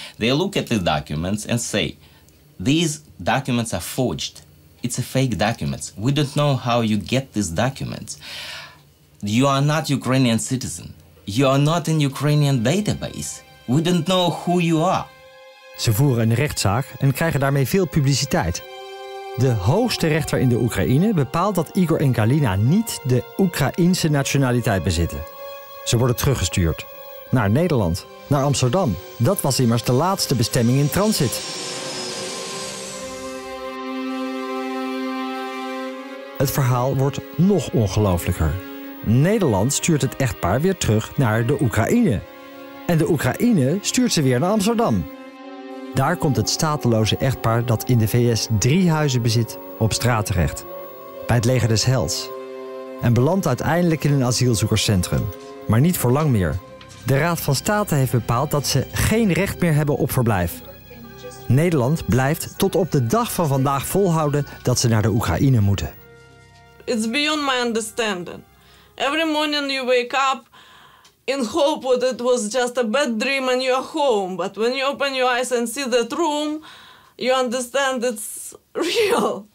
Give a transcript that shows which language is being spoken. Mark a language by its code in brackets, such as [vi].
[en] They look at these documents and say, these documents are forged. It's a fake documents. We don't know how you get these documents. You are not Ukrainian citizen. You are not in Ukrainian database. We don't know who you are. [nl] Ze voeren een rechtszaak en krijgen daarmee veel publiciteit. De hoogste rechter in de Oekraïne bepaalt dat Igor en Galina niet de Oekraïense nationaliteit bezitten. Ze worden teruggestuurd. Naar Nederland. Naar Amsterdam. Dat was immers de laatste bestemming in transit. Het verhaal wordt nog ongelooflijker. Nederland stuurt het echtpaar weer terug naar de Oekraïne. En de Oekraïne stuurt ze weer naar Amsterdam. Daar komt het stateloze echtpaar dat in de VS 3 huizen bezit op straat terecht. Bij het leger des Heils. En belandt uiteindelijk in een asielzoekerscentrum. Maar niet voor lang meer. De Raad van State heeft bepaald dat ze geen recht meer hebben op verblijf. Nederland blijft tot op de dag van vandaag volhouden dat ze naar de Oekraïne moeten. [en] It's beyond my understanding. Every morning you wake up in hope that it was just a bad dream and you're home. But when you open your eyes and see that room, you understand it's real.